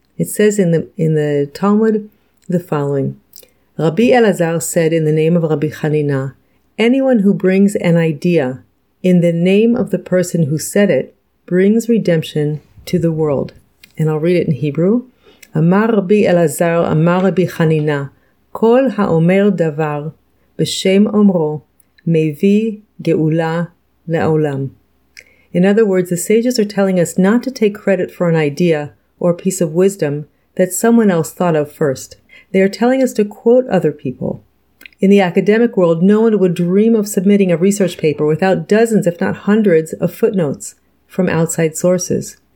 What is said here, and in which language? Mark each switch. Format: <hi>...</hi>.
<en>It says in the Talmud the following. Rabbi Elazar said in the name of Rabbi Chanina, "Anyone who brings an idea in the name of the person who said it brings redemption to the world." And I'll read it in Hebrew.</en> <he>אמר רבי אלעזר, אמר רבי חנינה, כל האומר דבר בשם אומרו מביא גאולה לעולם.</he> <en>In other words, the sages are telling us not to take credit for an idea or a piece of wisdom that someone else thought of first. They are telling us to quote other people. In the academic world, no one would dream of submitting a research paper without dozens, if not hundreds, of footnotes from outside sources.</en>